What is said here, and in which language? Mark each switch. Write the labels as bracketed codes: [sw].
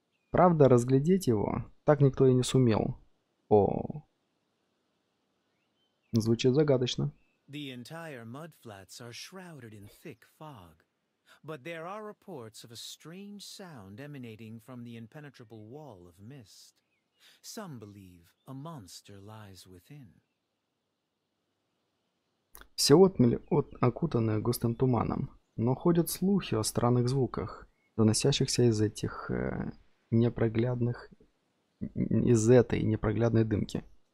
[ru] Правда, разглядеть его так никто и не сумел. О, звучит загадочно. [en] The entire mud flats are shrouded in thick fog, but there are reports of a strange sound emanating from the impenetrable wall of mist. Some believe a monster lies within. [ru] Все отмели окутаны густым туманом, но ходят слухи о странных звуках, доносящихся из этих непроглядных из этой непроглядной дымки.